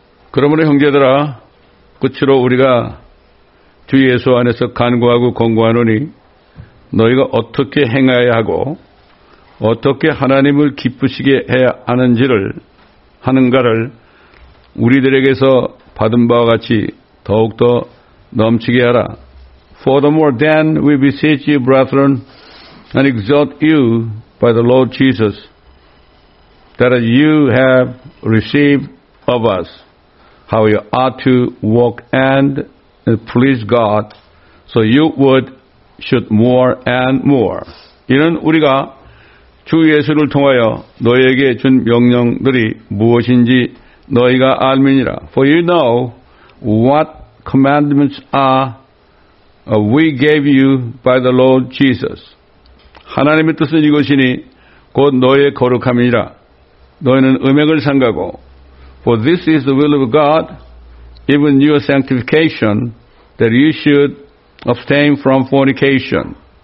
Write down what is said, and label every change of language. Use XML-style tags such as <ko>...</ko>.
<ko>그러므로 형제들아 끝으로 우리가 주 예수 안에서 간구하고 권고하노니 너희가 어떻게 행해야 하고 어떻게 하나님을 기쁘시게 해야 하는가를 우리들에게서 받은 바와 같이 더욱더 넘치게 하라.</ko> <en>Furthermore, then we beseech you, brethren, and exhort you by the Lord Jesus, that as you have received of us, how you ought to walk and please God, so you would should more and more.</en> <ko>이는 우리가 주 예수를 통하여 너희에게 준 명령들이 무엇인지 너희가 알미니라.</ko> <en>For you know what commandments are we gave you by the Lord Jesus.</en> <ko>하나님의 뜻은 이것이니 곧 너희의 거룩함이니라. 너희는 음행을 삼가고</ko> <en>For this is the will of God, even your sanctification, that you should abstain from fornication.</en>